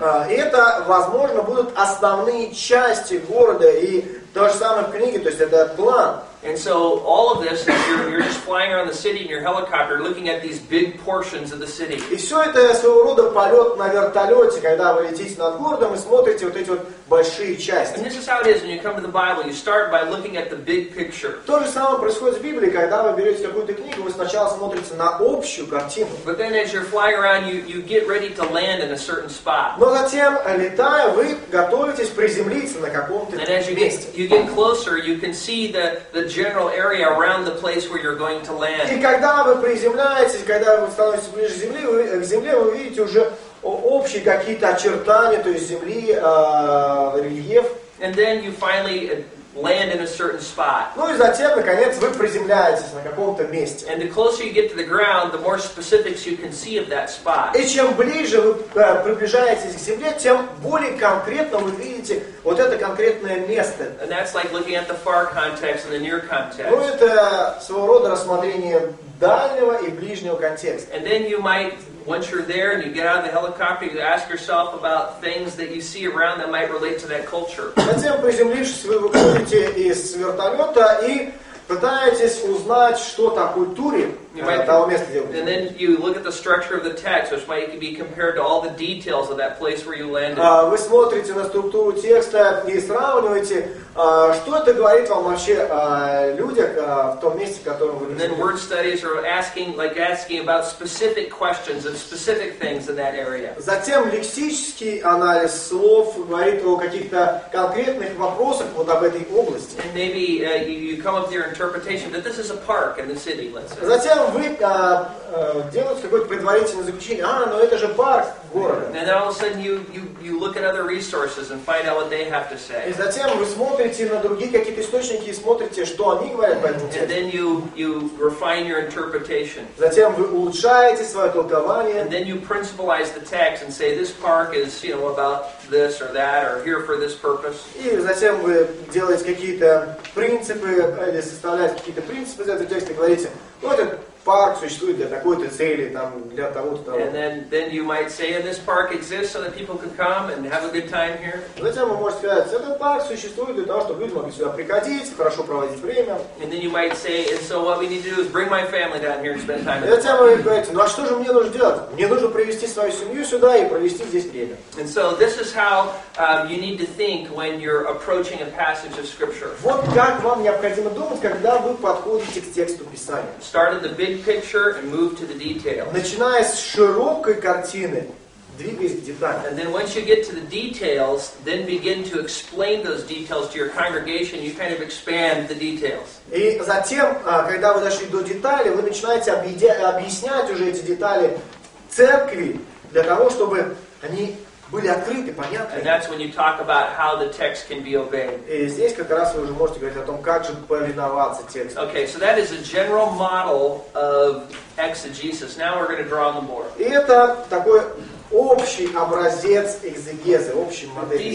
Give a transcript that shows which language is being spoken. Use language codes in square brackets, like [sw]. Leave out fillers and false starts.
[ru] И это, возможно, будут основные части города. И то же самое в книге, то есть это план. [en] And so all of this, you're just flying around the city in your helicopter, looking at these big portions of the city. [ru] И все это своего рода полет на вертолете, когда вы летите над городом и смотрите вот эти вот большие части. [en] And this is how it is when you come to the Bible. You start by looking at the big picture. [ru] То же самое происходит в Библии, когда вы берете какую-то книгу, вы сначала смотрите на общую картину. [en] But then as you're flying around, you get ready to land in a certain spot. [ru] Но затем, летая, вы готовитесь приземлиться на каком-то месте. [en] And as you get closer, you can see the general area around the place where you're going to land. [ru] И когда вы приземляетесь, когда вы становитесь ближе к земле, вы видите уже общие какие-то очертания, то есть земли, рельеф. [en] And then you finally land in a certain spot. [ru] Ну и затем, наконец, вы приземляетесь на каком-то месте. [en] And the closer you get to the ground, the more specifics you can see of that spot. [ru] И чем ближе вы приближаетесь к земле, тем более конкретно вы видите вот это конкретное место. [en] And that's like looking at the far context and the near context. [ru] Ну это своего рода рассмотрение дальнего и ближнего контекста. [en] And then you might, once you're there and you get out of the helicopter, you ask yourself about things that you see around that might relate to that culture. [ru] Затем приземлившись, вы выходите из вертолета и пытаетесь узнать, что там в культуре того места, где вы. [en] And then you look at the structure of the text, which might be compared to all the details of that place where you landed. [ru] Вы смотрите на структуру текста и сравниваете, что это говорит вам вообще о людях в том месте, в котором вы живете. [en] And then word studies are asking about specific questions and specific things in that area. [ru] Затем лексический анализ слов говорит о каких-то конкретных вопросах вот об этой области. [en] And maybe you come up with your interpretation that this is a park in the city, let's say. [ru] Затем вы делаете какое-то предварительное заключение. Но это же парк города. [en] And then all of a sudden you look at other resources and find out what they have to say. [ru] И затем вы смотрите на другие какие-то источники и смотрите, что они говорят по этому тексту. [en] And then you refine your interpretation. [ru] Затем вы улучшаете свое толкование. [en] And then you principalize the text and say this park is, you know, about this or that or here for this purpose. [ru] И затем вы делаете какие-то принципы или составляете какие-то принципы из этого текста и говорите, ну это парк существует для такой-то цели, там, для того-то, того. [en] And then you might say, and this park exists so that people could come and have a good time here. [ru] Затем вы можете сказать, этот парк существует для того, чтобы люди могли сюда приходить, хорошо проводить время. [en] And then you might say, and so what we need to do is bring my family down here and spend time. [ru] И затем вы говорите, ну а что же мне нужно делать? Мне нужно привести свою семью сюда и провести здесь время. [en] And so this is how you need to think when you're approaching a passage of Scripture. [ru] Вот как вам необходимо думать, когда вы подходите к тексту Писания. [en] Start at the big picture and move to the details. [ru] Начиная с широкой картины, двигаясь к деталям. [en] And then once you get to the details, then begin to explain those details to your congregation. You kind of expand the details. [ru] И затем, когда вы дошли до деталей, вы начинаете объяснять уже эти детали церкви для того, чтобы они были открыты, понятны. [en] And that's when you talk about how the text can be obeyed. [ru] И здесь как раз вы уже можете говорить о том, как же повиноваться тексту. [en] Okay, so that is a general model of exegesis. Now we're going to draw on the board. [ru] И это такой общий образец экзегезы, общей модели.